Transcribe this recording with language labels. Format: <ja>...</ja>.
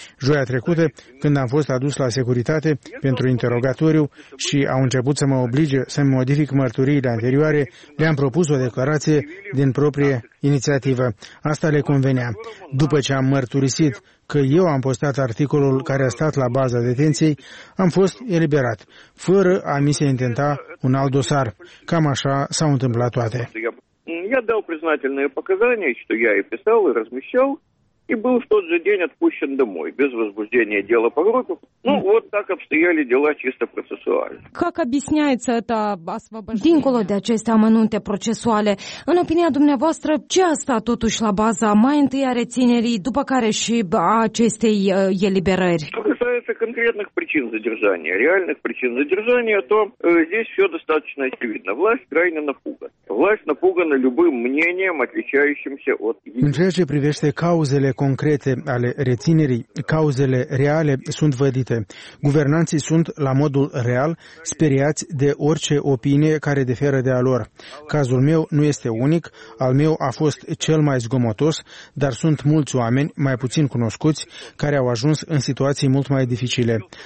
<ro>Joia trecută, când am fost adus la securitate pentru interogatoriu și au început să mă oblige să-mi modific mărturiile anterioare, le-am propus o declarație din proprie inițiativă. Asta le convenea. După ce am mărturisit că eu am postat articolul care a stat la baza detenției, am fost eliberat, fără a mi se intenta un alt dosar. Cam așa s-au întâmplat toate.</ro> <ru>Я дал признательные показания, что я и писал, и размещал, и был в тот же день отпущен домой без возбуждения дела по группе. Ну, вот так обстояли дела чисто процессуально. Как объясняется это освобождение?</ru> <ro>Dincolo de aceste amănunte procesuale, în opinia dumneavoastră, ce a stat totuși la baza mai întâi a reținerii, după care și a acestei eliberări?</ro> <ru>Конкретных причин задержания, реальных причин задержания, то здесь все достаточно очевидно. Власть крайне напугана. Власть напугана любым мнением, отличающимся от...</ru> <ro>În ceea ce privește cauzele concrete ale reținerii, cauzele reale sunt vădite. Guvernanții sunt, la modul real, speriați de orice opinie care diferă de a lor. Cazul meu nu este unic, al meu a fost cel mai zgomotos, dar sunt mulți oameni, mai puțin cunoscuți, care au ajuns în situații mult mai dificile.</ro>